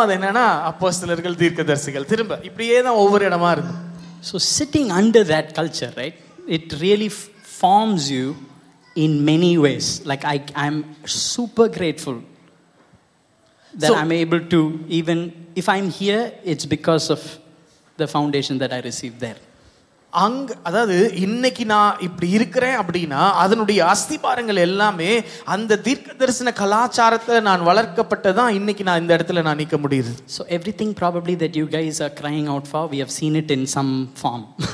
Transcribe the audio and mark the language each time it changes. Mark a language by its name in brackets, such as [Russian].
[Tamil] தீர்க்கதரிசிகள் திரும்ப இப்படியே தான் ஒவ்வொரு இடமா இருக்கும். [English] So sitting under that culture, right, it really forms you in many ways. Like I'm super grateful that I'm able to, even if I'm here, it's because of the foundation that I received there. [Tamil] அங்க அதாவது இன்னைக்கு நான் இப்படி இருக்கிறேன் அப்படின்னா அதனுடைய அஸ்திபாரங்கள் எல்லாமே அந்த தீர்க்க தரிசன கலாச்சாரத்தில் நான் வளர்க்கப்பட்டதான் இன்னைக்கு நான் இந்த இடத்துல நான் நிற்க முடியுது. [English] So everything probably that you guys are crying out for we have seen it in some form.